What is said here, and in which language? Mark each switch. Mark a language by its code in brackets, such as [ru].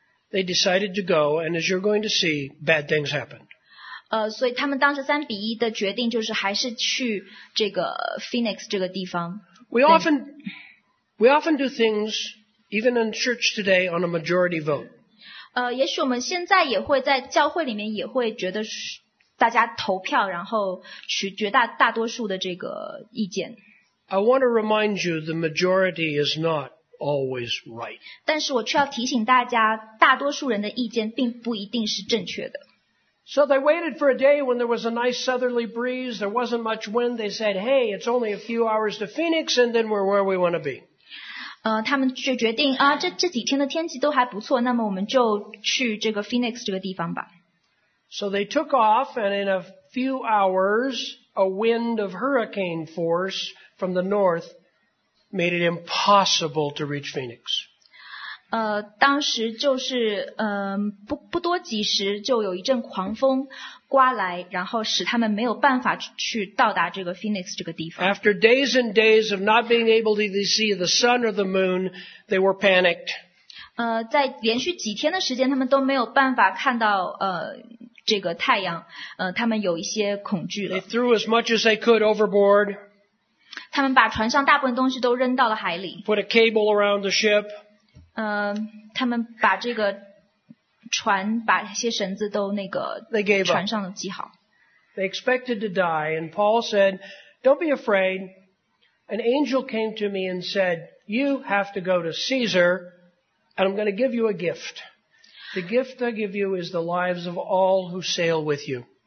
[en] They decided to go, and as you're going to see, bad things happened. [zh] 所以他们当时3-1的决定就是还是去这个 Phoenix 这个地方。 [en] We often do things, even in church today, on a majority vote. [zh] 也许我们现在也会在教会里面也会觉得大家投票，然后取绝大多数的这个意见。 [en] I want to remind you, the majority is not. Always right. [zh] 但是我却要提醒大家，大多数人的意见并不一定是正确的。 [en] So they waited for a day when there was a nice southerly breeze. There wasn't much wind. They said, "Hey, it's only a few hours to Phoenix, and then we're where we want to be." [zh] 他们就决定啊，这几天的天气都还不错，那么我们就去这个 Phoenix 这个地方吧。 [en] So they took off, and in a few hours, a wind of hurricane force from the north. Made it impossible to reach Phoenix. [zh] 当时就是不多几时就有一阵狂风刮来，然后使他们没有办法去到达这个 Phoenix 这个地方。 [en] After days and days of not being able to see the sun or the moon, they were panicked. [zh] 在连续几天的时间，他们都没有办法看到这个太阳，他们有一些恐惧了。 [en] They threw as much as they could overboard. [zh] 他们把船上大部分东西都扔到了海里。 [en] Put a cable around the ship. [zh] 他们把这个船把一些绳子都那个船上的系好。 [en] They expected to die, and Paul said, "Don't be afraid. An angel came to me and said, 'You have to go to Caesar, and I'm going to give you a gift. The gift I give you is the lives of all who sail with you.'"